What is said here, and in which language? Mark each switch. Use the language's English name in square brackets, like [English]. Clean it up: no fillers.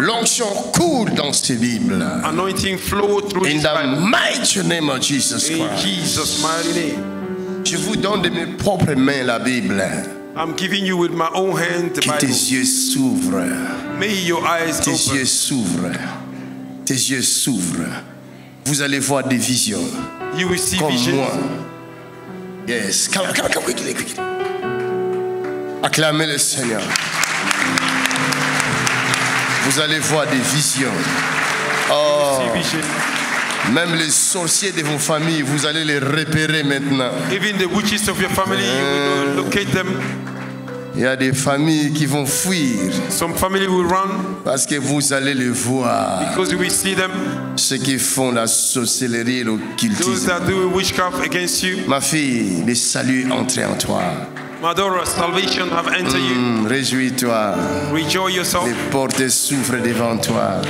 [French] L'onction coule dans cette Bible. [English] Anointing flow through in the mighty name of Jesus Christ. In Jesus' mighty name. [French] Je vous donne de mes propres mains la Bible. [English] I'm giving you with my own hand the [French] Bible. Que tes yeux s'ouvrent. [English] May your eyes [French] open. Tes yeux s'ouvrent. Tes yeux s'ouvrent. Vous allez voir des visions. [English] You will see [French] comme [English] visions. Moi. Yes. Come, quickly, quickly. [French] Acclamez le Seigneur. Vous allez voir des visions. Oh. Même les sorciers de vos familles, vous allez les repérer maintenant. [English] Even the witches of your family, you will locate them. [French] Il y a des familles qui vont fuir. [English] Some family will run. [French] Parce que vous allez les voir. [English] Because you will see them. [French] Ceux qui font la sorcellerie et l'occultisme. [English] Those that do witchcraft against you. [French] Ma fille, le salut entre en toi. [English] My daughter, salvation have entered you. [French] Réjouis-toi. [English] Rejoice yourself. [French] Les portes s'ouvrent devant toi.